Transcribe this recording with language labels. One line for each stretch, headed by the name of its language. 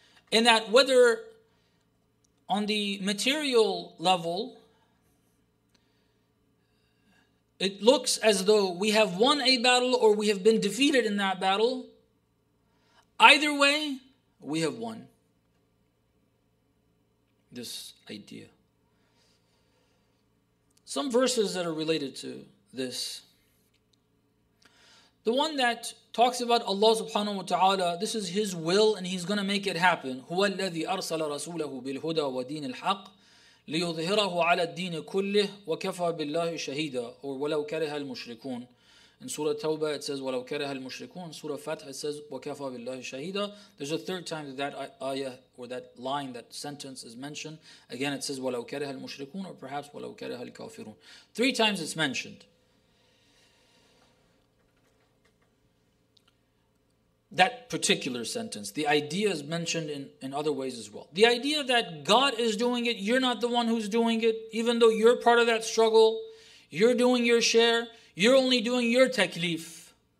English: And that whether on the material level, it looks as though we have won a battle or we have been defeated in that battle, either way, we have won. This idea. Some verses that are related to this. The one that talks about Allah subhanahu wa ta'ala, this is His will and He's going to make it happen.
Arabic: هو الذي أرسل رسوله بالهدى ودين الحق ليظهره على الدين كله وكفى بالله شهيدا ولو كره المشركون.
English: In Surah Tawbah it says,
Arabic: ولو كره المشركون.
English: Surah Fath it says,
Arabic: وكفى بالله شهيدا.
English: There's a third time that ayah or that line, that sentence is mentioned. Again it says,
Arabic: ولو كره المشركون,
English: or perhaps
Arabic: ولو كره الكافرون.
English: Three times it's mentioned. That particular sentence, the idea is mentioned in other ways as well. The idea that God is doing it, you're not the one who's doing it, even though you're part of that struggle, you're doing your share, you're only doing your taklif.